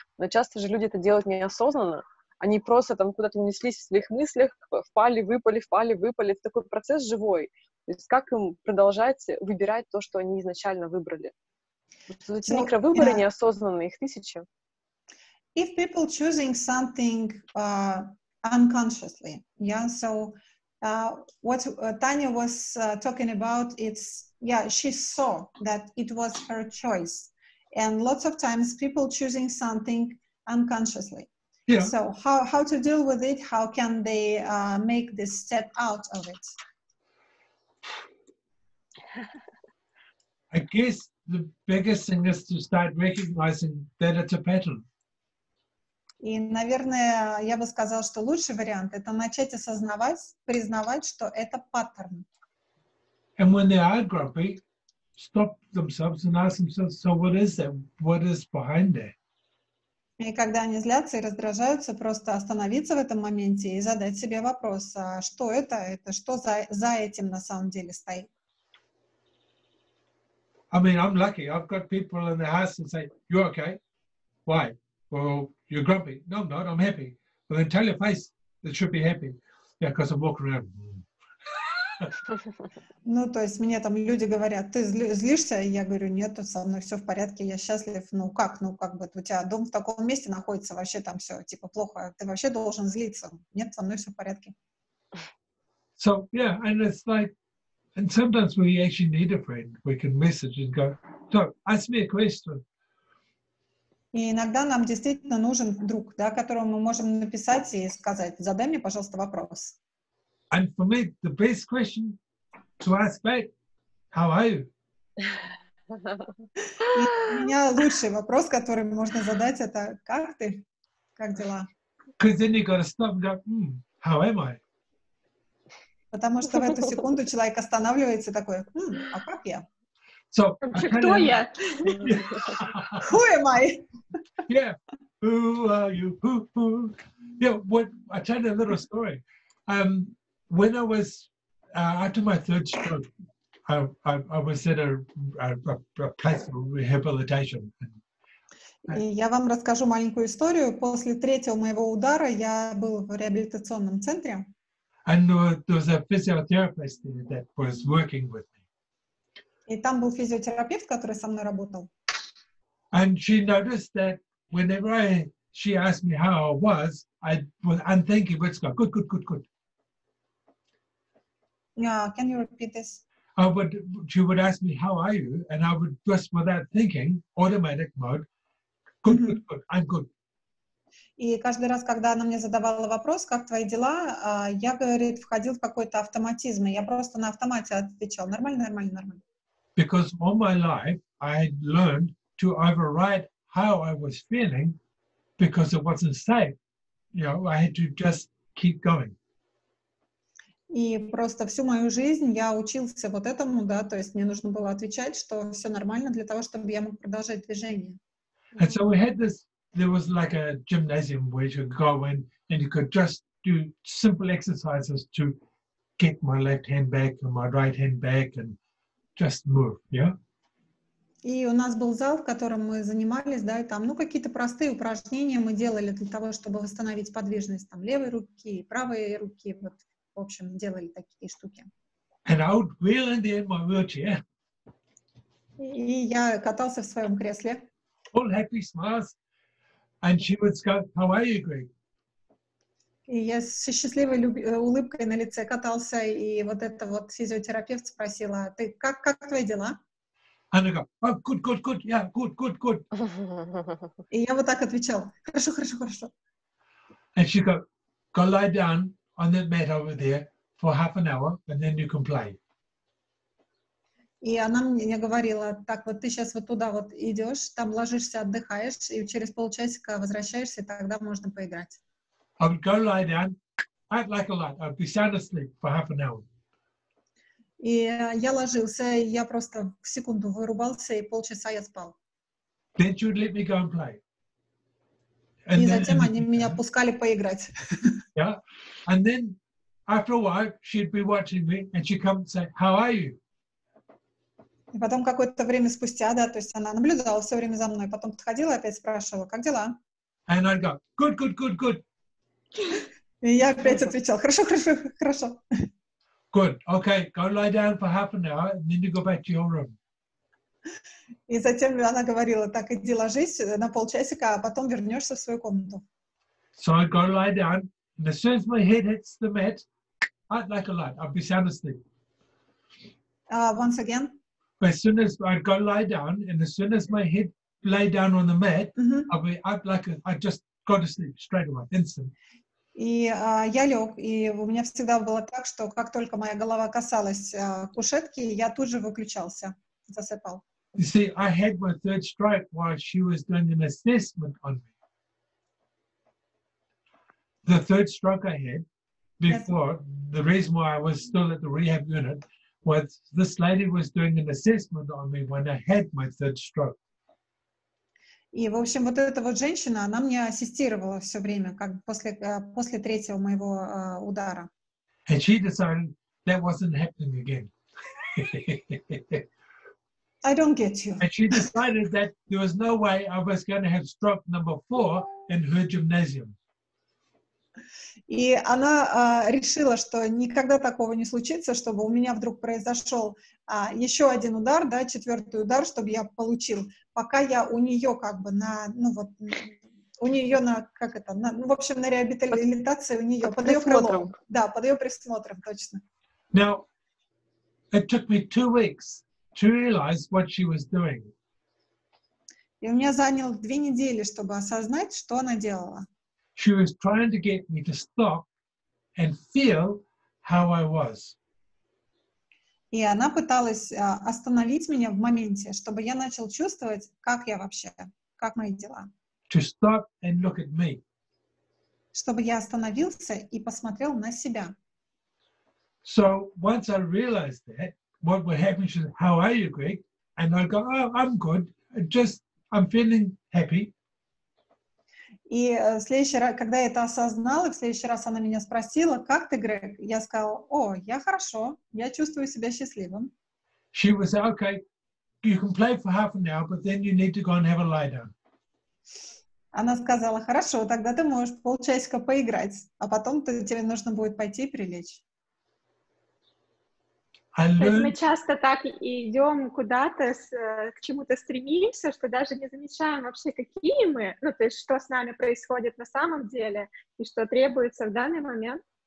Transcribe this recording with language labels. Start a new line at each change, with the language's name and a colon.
Russian: Но часто же люди это делают неосознанно. Они просто там куда-то унеслись в своих мыслях, впали, выпали. Это такой процесс живой. То есть как им продолжать выбирать то, что они изначально выбрали? Вот эти микровыборы неосознанные, их тысячи.
English: If people choosing something unconsciously, yeah, so what Tanya was talking about, it's, yeah, she saw that it was her choice. And lots of times people choosing something unconsciously. Yeah. So how to deal with it? How can they make this step out of it? I guess the biggest thing is to start recognizing that it's a pattern.
Russian: И, наверное, я бы сказал, что лучший вариант это начать осознавать, признавать, что это паттерн.
English: And when they are grumpy, stop themselves and ask themselves, so what is that? What is behind that?
Russian: И когда они злятся и раздражаются, просто остановиться в этом моменте и задать себе вопрос, а что это? Это что за этим на самом деле стоит?
English: I mean, I'm lucky. I've got people in the house and say, you're okay? Why? Well, you're grumpy. No, I'm not. I'm happy. But then tell your face that should be happy. Yeah, because I'm walking around.
Russian: Ну, то есть мне там люди говорят, ты злишься, и я говорю, нет, со мной все в порядке, я счастлив, ну как бы, у тебя дом в таком месте находится, вообще там все, типа, плохо, ты вообще должен злиться, нет, со мной все в порядке.
English: So, yeah, and it's like, and sometimes we actually need a friend, we can message and go, so, ask me a question.
Russian: И иногда нам действительно нужен друг, да, которому мы можем написать и сказать, задай мне, пожалуйста, вопрос.
English: And for me, the best question to ask back, how are you?
Russian: У меня лучший вопрос, который можно задать, это как ты? Как дела?
English: Because then you gotta stop and go, how am I?
Russian: Потому что в эту секунду человек останавливается такой, а как я?
English: So,
Russian: кто я?
English: Who am I? Yeah, who are you? Who? Yeah, what, I tell you a little story. When I was after my third stroke, I was at a place for rehabilitation.
Russian: И я вам расскажу маленькую историю. После третьего моего удара я был в реабилитационном центре.
English: And there was a physiotherapist there that was working with me.
Russian: И там был физиотерапевт, который со мной работал.
English: And she noticed that whenever she asked me how I was, I was unthinking, but it's got good, good, good, good. Yeah, can you repeat this? She would ask me, how are you? And I would just, without thinking, automatic mode, good, good, good, I'm good.
Russian: И каждый раз, когда она мне задавала вопрос, как твои дела, я, говорит, входил в какой-то автоматизм, и я просто на автомате отвечал, нормально, нормально, нормально.
English: Because all my life, I had learned to override how I was feeling, because it wasn't safe. You know, I had to just keep going.
Russian: И просто всю мою жизнь я учился вот этому, да, то есть мне нужно было отвечать, что все нормально для того, чтобы я мог продолжать движение.
English: And so we had this, there was like a gymnasium where you could go in and you could just do simple exercises to get my left hand back and my right hand back and just move, yeah?
Russian: И у нас был зал, в котором мы занимались, да, и там, ну, какие-то простые упражнения мы делали для того, чтобы восстановить подвижность, там, левой руки, правой руки, вот. В общем, делали такие штуки.
English: And I would wheel in there in my wheelchair.
Russian: И я катался в своем кресле.
English: All happy smiles. And she would go, how are you, Greg?
Russian: И я с счастливой улыбкой на лице катался, и вот это вот физиотерапевт спросила, ты как твои дела?
English: And I go, oh, good, good, good, yeah, good, good, good.
Russian: И я вот так отвечал, хорошо, хорошо, хорошо.
English: And she go lie down on that mat over there for half an hour, and then you can play.
Russian: И она мне говорила, так вот ты сейчас вот туда вот идешь, там ложишься, отдыхаешь, и через полчасика возвращаешься, и тогда можно поиграть.
English: I would go lie down, I'd like a lot, I'd be sound asleep for half an hour.
Russian: И я ложился, и я просто в секунду вырубался, и полчаса я спал.
English: Then she would let me go and play.
Russian: And и затем then, они меня пускали поиграть.
English: Yeah. And then after a while she'd be watching me and she'd come and say, how are you?
Russian: И потом какое-то время спустя, да, то есть она наблюдала все время за мной, потом подходила и опять спрашивала, как дела?
English: And I'd go, good, good, good, good.
Russian: И я опять отвечал, хорошо, хорошо, хорошо.
English: Good, okay, go lie down for half an hour and then you go back to your room.
Russian: И затем она говорила, так, иди ложись на полчасика, а потом вернешься в свою комнату.
English: So I'd go lie down, and as soon as my head hits the mat, I'd like a light, I'd be sound asleep. Once again? But as soon as I'd go lie down, and as soon as my head lay down on the mat, mm-hmm. I'd just go to sleep straight away, instant.
Russian: И я лег, и у меня всегда было так, что как только моя голова касалась кушетки, я тут же выключался.
English: You see, I had my third stroke while she was doing an assessment on me. The third stroke I had before, the reason why I was still at the rehab unit, was this lady was doing an assessment on me when I had my third stroke.
Russian: И, в общем, вот эта вот женщина, она мне ассистировала все время, как после третьего моего удара.
English: And she decided that wasn't happening again. I don't get you. And she decided that there was no way I was going to have stroke number 4 in her gymnasium.
Russian: И она решила, что никогда такого не случится, чтобы у меня вдруг произошел еще один удар, да, четвертый удар, чтобы я получил, пока я у нее как бы на, ну вот, у нее на, как это, на, ну, в общем, на реабилитации у нее, под ее крылом. Да, под ее присмотром, точно.
English: Now, it took me 2 weeks to realize what she was doing.
Russian: И у меня заняло 2 недели, чтобы осознать, что она делала.
English: She was trying to get me to stop and feel how I was.
Russian: И она пыталась остановить меня в моменте, чтобы я начал чувствовать, как я вообще, как мои дела.
English: To stop and look at me.
Russian: Чтобы я остановился и посмотрел на себя.
English: So once I realized that, what would happen, she said, how are you, Greg? And I go, oh, I'm good, just I'm feeling happy.
Russian: И в следующий раз, когда я это осознала, в следующий раз она меня спросила, как ты, Грег? Я сказала, о, я хорошо, я чувствую себя счастливым.
English: She was saying, okay, you can play for half an hour, but then you need to go and have a lie down.
Russian: Она сказала, хорошо, тогда ты можешь полчасика поиграть, а потом тебе нужно будет пойти и прилечь. То есть мы часто так и идем куда-то, к чему-то стремимся, что даже не замечаем вообще, какие мы, ну, то есть что с нами происходит на самом деле и что требуется в данный момент.